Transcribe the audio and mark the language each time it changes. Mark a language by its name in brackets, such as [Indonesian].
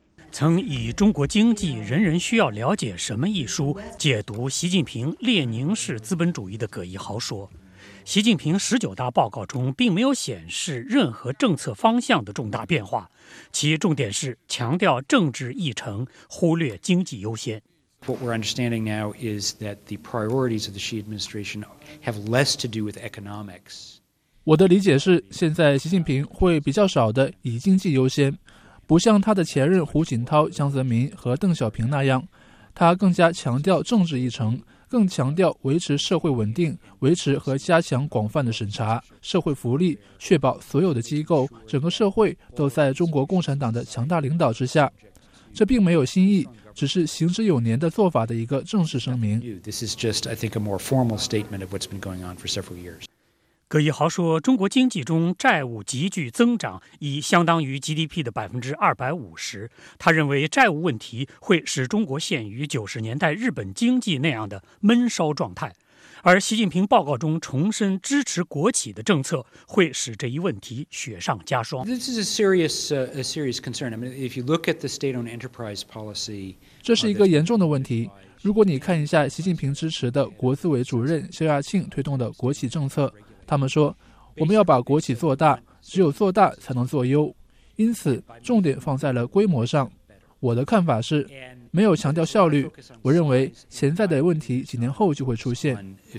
[Chinese] 曾以《中国经济人人需要了解什么》一书解读习近平列宁式资本主义的葛一豪说，习近平十九大报告中并没有显示任何政策方向的重大变化，其重点是强调政治议程，忽略经济优先。 [English] What we're understanding now is that the priorities of the Xi administration have less to do with economics. [Chinese] 我的理解是，现在习近平会比较少的以经济优先，不像他的前任胡锦涛、江泽民和邓小平那样，他更加强调政治议程，更强调维持社会稳定，维持和加强广泛的审查社会福利，确保所有的机构、整个社会都在中国共产党的强大领导之下。这并没有新意，只是行之有年的做法的一个正式声明。 [English] This is just, I think, a more formal statement of what's been going on for several years. [Chinese] 葛一豪说，中国经济中债务急剧增长，已相当于 GDP 的250%。他认为债务问题会使中国陷于90年代日本经济那样的闷烧状态，而习近平报告中重申支持国企的政策会使这一问题雪上加霜。 [English] This is a serious concern. I mean, if you look at the state-owned enterprise policy, [Chinese] 这是一个严重的问题。如果你看一下习近平支持的国资委主任萧亚庆推动的国企政策，他们说我们要把国企做大，只有做大才能做优，因此重点放在了规模上。我的看法是没有强调效率，我认为潜在的问题几年后就会出现。